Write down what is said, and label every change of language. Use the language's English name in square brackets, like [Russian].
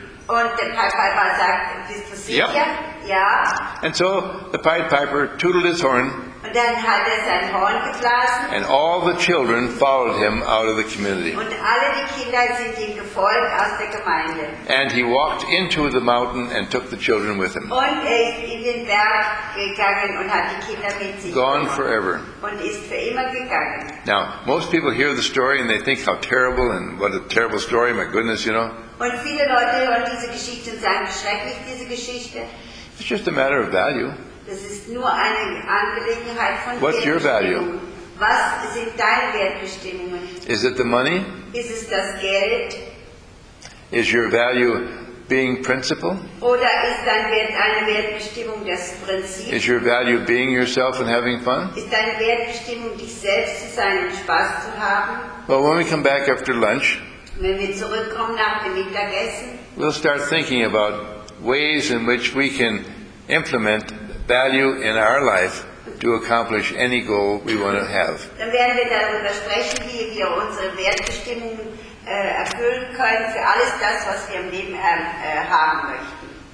[German] Und der Pied Piper sagt, bist du sicher? [English] Yep. [German] Ja. [English] And so the Pied Piper tootled his horn. [German] Und dann hat sein Horn geblasen. [English] And all the children followed him out of the community. [German] Und alle die Kinder sind ihm gefolgt aus der Gemeinde. [English] And he walked into the mountain and took the children with him. [German] Und ist in den Berg gegangen und hat die Kinder mit sich. [English] Gone forever. [German] Und ist für immer gegangen. [English] Now, most people hear the story and they think how terrible and what a terrible story, my goodness, you know. [German] Und viele Leute hören diese Geschichte und sagen, schrecklich diese Geschichte. [English] It's just a matter of value. [German] Das ist nur eine Angelegenheit von Geld. [English] What's your value? [German] Was sind deine Wertbestimmungen? [English] Is it the money? [German] Ist es das Geld? [English] Is your value being principle? [German] Oder ist dein Wert eine Wertbestimmung das Prinzip? [English] Is your value being yourself and having fun? [German] Ist deine Wertbestimmung dich selbst zu sein und Spaß zu haben? [English] Well, when we come back after lunch, [German] wenn wir zurückkommen nach dem Mittagessen, [English] we'll start thinking about ways in which we can implement value in our life to accomplish any goal we want to have. [German] Dann werden wir darüber sprechen, wie wir unsere Wertbestimmung erfüllen können für alles das, was wir im Leben haben möchten.